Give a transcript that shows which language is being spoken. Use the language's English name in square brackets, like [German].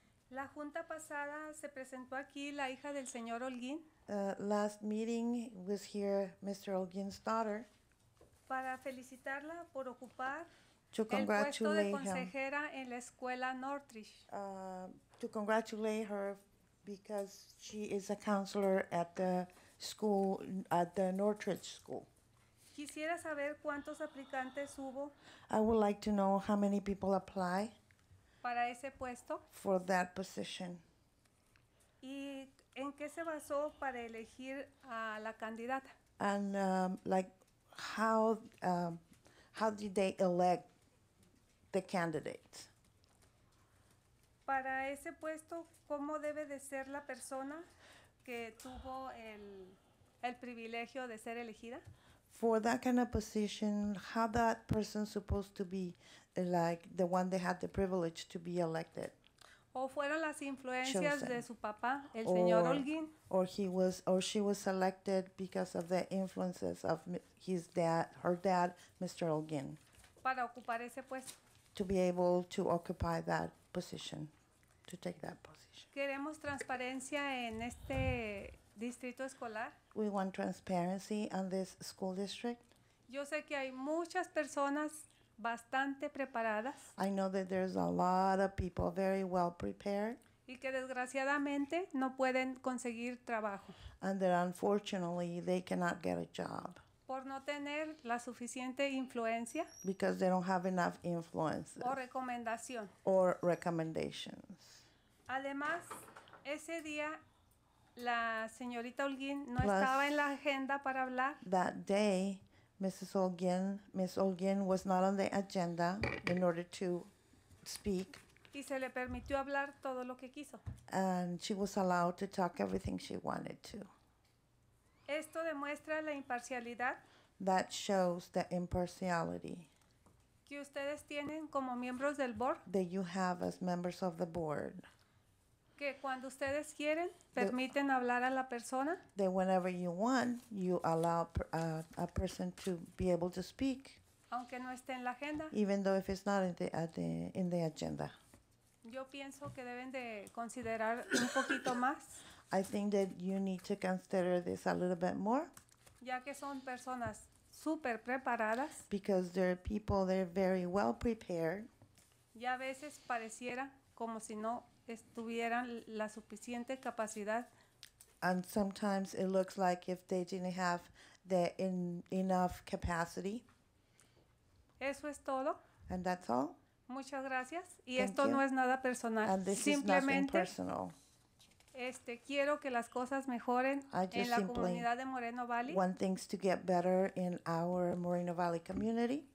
[Spanish] La junta pasada se presentó aquí la hija del señor Holguín. [English] Last meeting was here Mr. Holguín's daughter. [Spanish] Para felicitarla por ocupar [English] to congratulate [Spanish] el puesto de consejera en la escuela Northridge. [English] To congratulate her because she is a counselor at the school, at the Northridge school. [Spanish] Quisiera saber cuántos aplicantes hubo. [English] I would like to know how many people apply [Spanish] para ese puesto. [English] For that position. [Spanish] Y en qué se basó para elegir a la candidata. [English] And how did they elect the candidate? [Spanish] Para ese puesto, ¿cómo debe de ser la persona que tuvo el privilegio de ser elegida? [English] For that kind of position, how that person supposed to be like the one that had the privilege to be elected? [Spanish] ¿O fueron las influencias chosen de su papá, el señor Holguín? [English] Or he was, or she was selected because of the influences of his dad, her dad, Mr. Holguín. [Spanish] Para ocupar ese puesto. [English] To be able to occupy that position, to take that position. [Spanish] Queremos transparencia en este distrito escolar. [English] We want transparency on this school district. [Spanish] Yo sé que hay muchas personas bastante preparadas. [English] I know that there's a lot of people very well prepared. [Spanish] Y que desgraciadamente no pueden conseguir trabajo. [English] And that unfortunately they cannot get a job. [Spanish] Por no tener la suficiente influencia. [English] Because they don't have enough influence. [Spanish] O recomendación. [English] Or recommendations. [Spanish] Además, ese día la señorita Holguín no estaba en la agenda para hablar. [English] That day, Miss Holguín was not on the agenda in order to speak. [Spanish] Y se le permitió hablar todo lo que quiso. [English] And she was allowed to talk everything she wanted to. [Spanish] Esto demuestra la imparcialidad. [English] That shows the impartiality. [Spanish] Que ustedes tienen como miembros del board. [English] That you have as members of the board. [Spanish] Que cuando ustedes quieren, permiten hablar a la persona. [English] That whenever you want, you allow a person to be able to speak. [Spanish] Aunque no esté en la agenda. [English] Even though if it's not in the agenda. [Spanish] Yo pienso que deben de considerar un poquito más. [English] I think that you need to consider this a little bit more. [Spanish] Ya que son personas super preparadas. [English] Because they're people, they're very well prepared. [Spanish] Y a veces pareciera como si no estuvieran la suficiente capacidad. [English] And sometimes it looks like if they didn't have the enough capacity. [Spanish] Eso es todo. [English] And that's all. [Spanish] Muchas gracias. Y [English] thank [Spanish] esto [English] you. [Spanish] No es nada personal. [English] And this [Spanish] simplemente [English] is nothing personal. [Spanish] Quiero que las cosas mejoren en la comunidad de Moreno Valley. [English] Want things to get better in our Moreno Valley community.